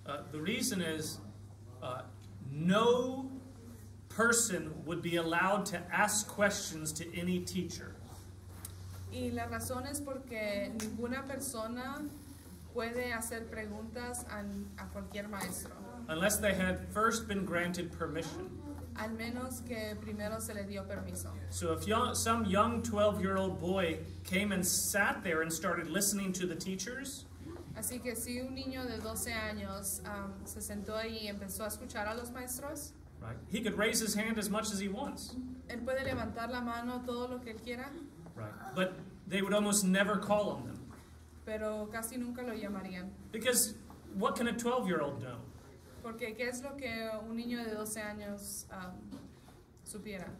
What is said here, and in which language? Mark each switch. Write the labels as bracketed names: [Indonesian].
[English] The reason is... no person would be allowed to ask questions to any teacher. [Spanish] Y la razón es porque ninguna persona puede hacer preguntas a cualquier maestro. [English] Unless they had first been granted permission. [Spanish] al menos que primero se le dio permiso. [English] So if some young 12-year-old boy came and sat there and started listening to the teachers, [Spanish] así que si un niño de 12 años se sentó ahí y empezó a escuchar a los maestros, [English] right, he could raise his hand as much as he wants. [Spanish] Él puede levantar la mano todo lo que él quiera. [English] Right, but they would almost never call on them. [Spanish] Pero casi nunca lo llamarían. [English] Because what can a 12-year-old know? [Spanish] Porque qué es lo que un niño de 12 años supiera.